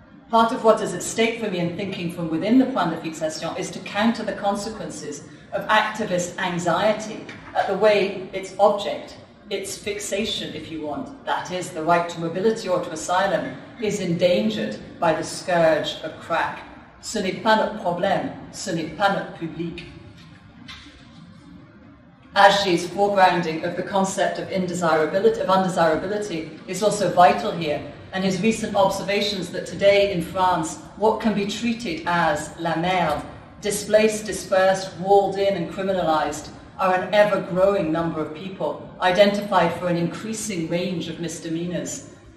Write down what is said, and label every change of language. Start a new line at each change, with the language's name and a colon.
English: Part of what is at stake for me in thinking from within the point de fixation is to counter the consequences of activist anxiety at the way its object, its fixation, if you want, that is, the right to mobility or to asylum, is endangered by the scourge of crack.
French: Ce n'est pas notre problème, ce n'est pas notre public.
English: Agier's foregrounding of the concept of undesirability is also vital here, and his recent observations that today in France, what can be treated as la merde, displaced, dispersed, walled in and criminalized, are an ever-growing number of people identified for an increasing range of misdemeanors.